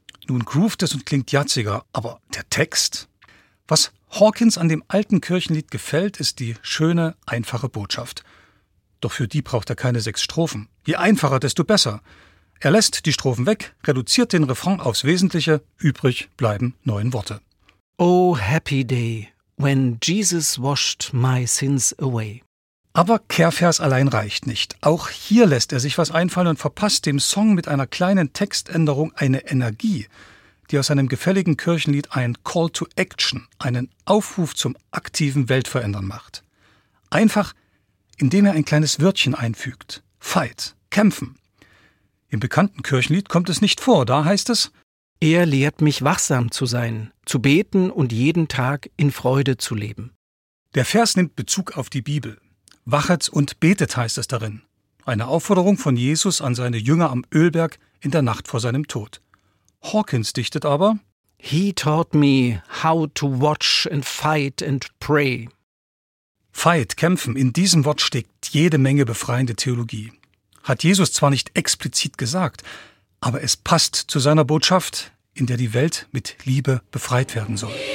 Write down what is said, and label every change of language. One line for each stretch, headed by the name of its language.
German: Nun groovt es und klingt jatziger, aber der Text? Was Hawkins an dem alten Kirchenlied gefällt, ist die schöne, einfache Botschaft. Doch für die braucht er keine 6 Strophen. Je einfacher, desto besser. Er lässt die Strophen weg, reduziert den Refrain aufs Wesentliche, übrig bleiben 9 Worte.
English: Oh, happy day, when Jesus washed my sins away.
German: Aber Kehrvers allein reicht nicht. Auch hier lässt er sich was einfallen und verpasst dem Song mit einer kleinen Textänderung eine Energie, die aus einem gefälligen Kirchenlied ein Call to Action, einen Aufruf zum aktiven Weltverändern macht. Einfach, indem er ein kleines Wörtchen einfügt. Fight, kämpfen. Im bekannten Kirchenlied kommt es nicht vor, da heißt es: Er lehrt mich, wachsam zu sein, zu beten und jeden Tag in Freude zu leben. Der Vers nimmt Bezug auf die Bibel. Wachet und betet, heißt es darin. Eine Aufforderung von Jesus an seine Jünger am Ölberg in der Nacht vor seinem Tod. Hawkins dichtet aber:
English: He taught me how to watch and fight and pray.
German: Fight, kämpfen, in diesem Wort steckt jede Menge befreiende Theologie. Hat Jesus zwar nicht explizit gesagt, aber es passt zu seiner Botschaft, in der die Welt mit Liebe befreit werden soll.